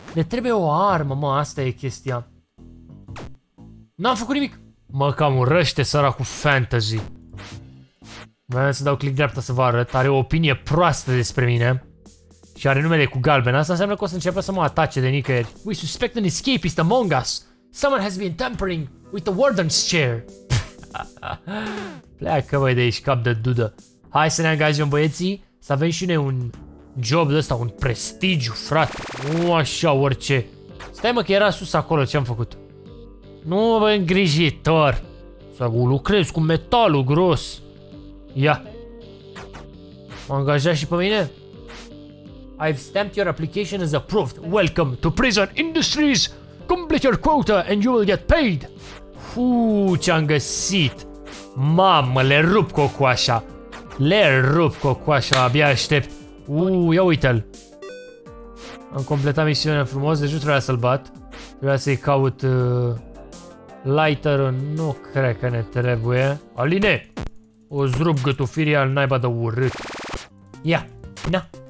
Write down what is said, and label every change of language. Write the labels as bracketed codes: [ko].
[ro] Ne trebuie o armă, mă, asta e chestia. N-am făcut nimic. Mă, cam urăște săracul fantasy. Vreau să dau click dreapta să vă arăt. Are o opinie proastă despre mine. Și are numele cu galben. Asta înseamnă că o să începe să mă atace de nicăieri. [en] We suspect an escapist among us. Someone has been tampering with the warden's chair. [ro] Pleacă, băi, de aici, cap de dudă. Hai să ne angajăm, băieții. Să avem și noi un job de ăsta, un prestigiu, frate. Nu așa orice. Stai, mă, că era sus acolo, ce-am făcut? Nu, bă, îngrijitor. Să lucrez cu metalul gros. Ia. M-a angajat și pe mine? [en] I've stamped your application as approved. Welcome to Prison Industries. Complete your quota and you will get paid. [ro] Fuuu, ce-am găsit. Mamă, le rup cocoașa. Le rup cocoașa, abia aștept. Ia uite-l. Am completat misiunea frumos, deci nu trebuia să-l bat. Trebuia să-i caut lighter-ul. Nu cred că ne trebuie. Aline! O-ți rup gâtufirii al naiba de urât. Ia, na.